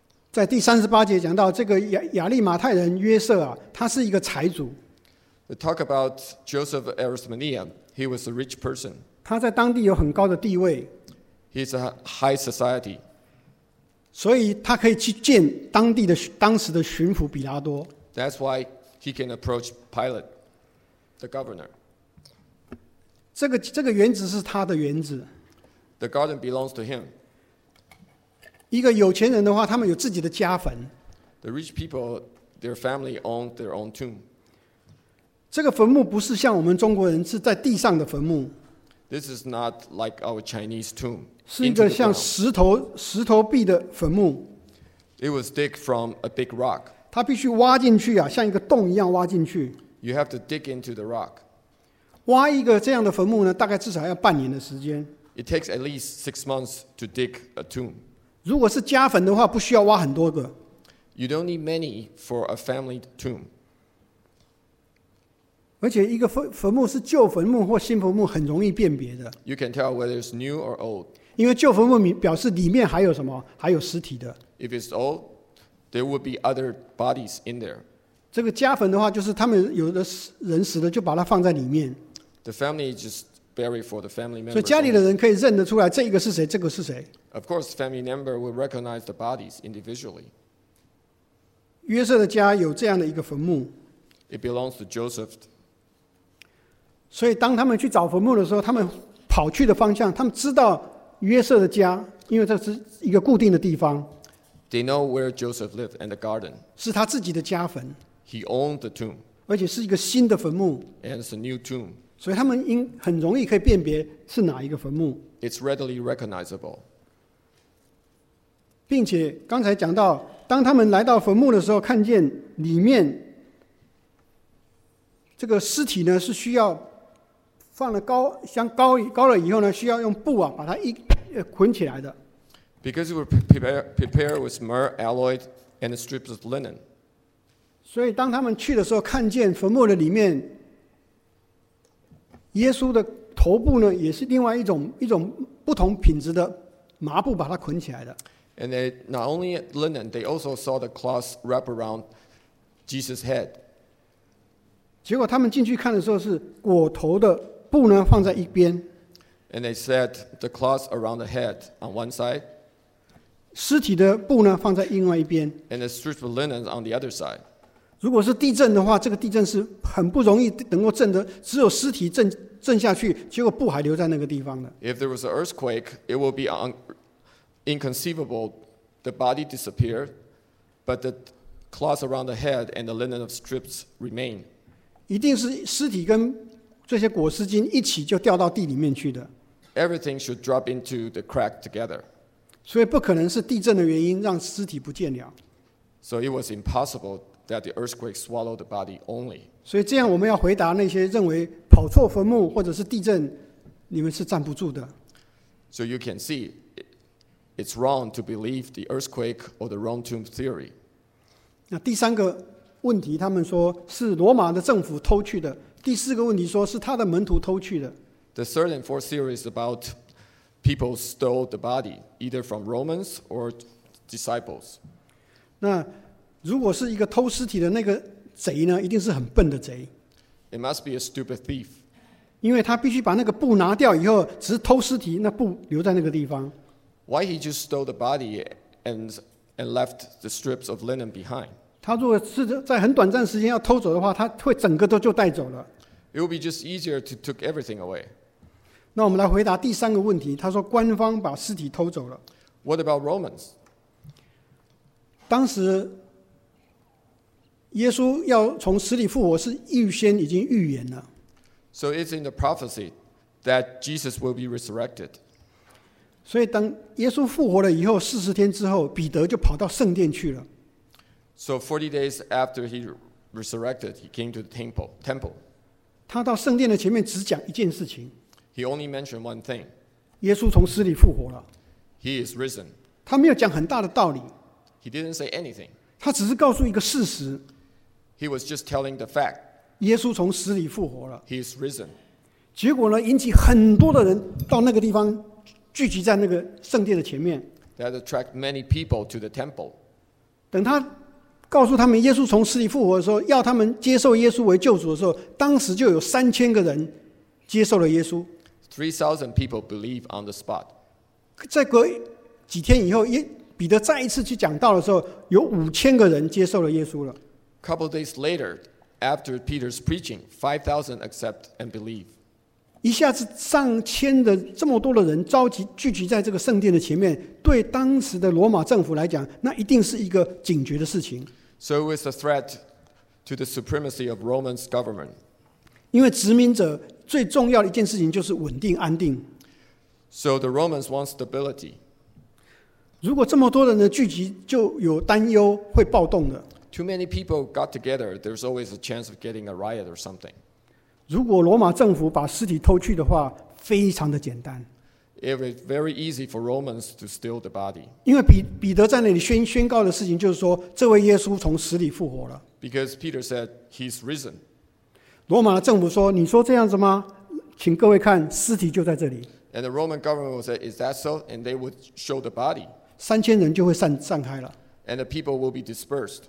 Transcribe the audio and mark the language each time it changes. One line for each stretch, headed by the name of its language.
Chinese: 在第三十八节讲到这个亚利马太人约瑟啊，他是一个财主。
English: We talk about Joseph of Arimathea. He was a rich person.
Chinese: 他在当地有很高的地位。
English: He's a high society.
Chinese: 所以他可以去见当地的当时的巡抚比拉多。
English: That's why. He can approach Pilate, the governor.
Chinese: 这个园子是他的园子。
English: The garden belongs to him.
Chinese: 一个有钱人的话，他们有自己的家坟。
English: The rich people, their family own their own tomb.
Chinese: 这个坟墓不是像我们中国人是在地上的坟墓。
English: This is not like our Chinese tomb.
Chinese: 是一个像石头壁的坟墓。
English: It was dug from a big rock.
Chinese: 他必须挖进去啊，像一个洞一样挖进去。
English: You have to dig into the rock.
Chinese: 挖一个这样的坟墓呢，大概至少要半年的时间。
English: It takes at least 6 months to dig a tomb.
Chinese: 如果是家坟的话，不需要挖很多个。
English: You don't need many for a family tomb.
Chinese: 而且一个坟墓是旧坟墓或新坟墓，很容易辨别的。
English: You can tell whether it's new or old.
Chinese: 因为旧坟墓表示里面还有什么，还有尸体的。
English: If it's old. There would be other bodies in there.
Chinese: 这个家坟的话，就是他们有的人死了，就把它放在里面。
English: The family just bury for the family members.
Chinese: 所以家里的人可以认得出来，这一个是谁，这个是谁。
English: Of course, family member will recognize the bodies individually.
Chinese: 约瑟的家有这样的一个坟墓。
English: It belongs to Joseph.
Chinese: 所以当他们去找坟墓的时候，他们跑去的方向，他们知道约瑟的家，因为这是一个固定的地方。
English: They know where Joseph lived and the garden.
Chinese: 是他自己的家坟。
English: He owned the tomb.
Chinese: 而且是一个新的坟墓。
English: And it's a new tomb.
Chinese: 所以他们很容易可以辨别是哪一个坟墓。
English: It's readily recognizable.
Chinese: 并且刚才讲到，当他们来到坟墓的时候，看见里面这个尸体呢是需要放了高箱高了以后呢，需要用布啊把它捆起来的。
English: Because it was prepared with myrrh, alloy, and strips of linen.
Chinese: 所以当他们去的时候，看见坟墓的里面，耶稣的头部呢，也是另外一种不同品质的麻布把它捆起来的。
English: And they not only linen, they also saw the cloth wrap around Jesus' head.
Chinese: 结果他们进去看的时候，是裹头的布呢放在一边。
English: And they set the cloth around the head on one side.
Chinese: 尸体的布呢放在另外一边。
English: And the strips of linen on the other side.
Chinese: 如果是地震的话，这个地震是很不容易能够震的，只有尸体震下去，结果布还留在那个地方的。
English: If there was an earthquake, it would be inconceivable the body disappeared, but the cloth around the head and the linen of strips remain.
Chinese: 一定是尸体跟这些裹尸巾一起就掉到地里面去的。
English: Everything should drop into the crack together.
Chinese: 所以不可能是地震的原因让尸体不见了。
English: So it was impossible that the earthquake swallowed the body only.
Chinese: 所以这样我们要回答那些认为跑错坟墓或者是地震，你们是站不住的。
English: So you can see, it's wrong to believe the earthquake or the wrong tomb theory.
Chinese: 那第三个问题，他们说是罗马的政府偷去的。第四个问题说是他的门徒偷去的。
English: The third and fourth theory is about. People stole the body, either from Romans or disciples.
Chinese: 那如果是一个偷尸体的那个贼呢，一定是很笨的贼。
English: It must be a stupid thief.
Chinese: 因为他必须把那个布拿掉以后，只是偷尸体，那布留在那个地方。
English: Why he just stole the body and left the strips of linen behind?
Chinese: 他如果是在很短暂时间要偷走的话，他会整个都就带走了。
English: It would be just easier to took everything away.
Chinese: 那我们来回答第三个问题。他说官方把尸体偷走了。
English: What about Romans?
Chinese: 当时耶稣要从死里复活是预先已经预言了。
English: So it's in the prophecy that Jesus will be resurrected.
Chinese: 所以当耶稣复活了以后，四十天之后，彼得就跑到圣殿去了。
English: So 40 days after he resurrected, he came to the temple.
Chinese: 他到圣殿的前面只讲一件事情。
English: He only mentioned one thing.
Chinese: 耶稣从死里复活了。
English: He is risen.
Chinese: 他没有讲很大的道理。
English: He didn't say anything.
Chinese: 他只是告诉一个事实。
English: He was just telling the fact.
Chinese: 耶稣从死里复活了。
English: He is risen.
Chinese: 结果呢，引起很多的人到那个地方聚集在那个圣殿的前面。
English: That attracted many people to the temple.
Chinese: 等他告诉他们耶稣从死里复活的时候，要他们接受耶稣为救主的时候，当时就有3000个人接受了耶稣。
English: 3,000 people believe on the spot.
Chinese: 再隔几天以后，彼得再一次去讲道的时候，有5000个人接受了耶稣了。
English: Couple of days later, after Peter's preaching, 5,000 accept and believe.
Chinese: 一下子上千的这么多的人召集聚集在这个圣殿的前面，对当时的罗马政府来讲，那一定是一个警觉的事情。
English: So it was a threat to the supremacy of Roman's government.
Chinese: 因为殖民者最重要的一件事情就是稳定安定。
English: So the Romans want stability.
Chinese: 如果这么多人的聚集，就有担忧会暴动的。
English: Too many people got together, there's always a chance of getting a riot or something.
Chinese: 如果罗马政府把尸体偷去的话，非常的简单。
English: It was very easy for Romans to steal the body.
Chinese: 因为彼得在那里宣告的事情就是说，这位耶稣从死里复活了。
English: Because Peter said he's risen.
Chinese: 罗马政府说：“你说这样子吗？请各位看，尸体就在这里。
English: ”And the Roman government would say, "Is that so?" And they would show the body.
Chinese: 三千人就会散开了
English: ，and the people will be dispersed.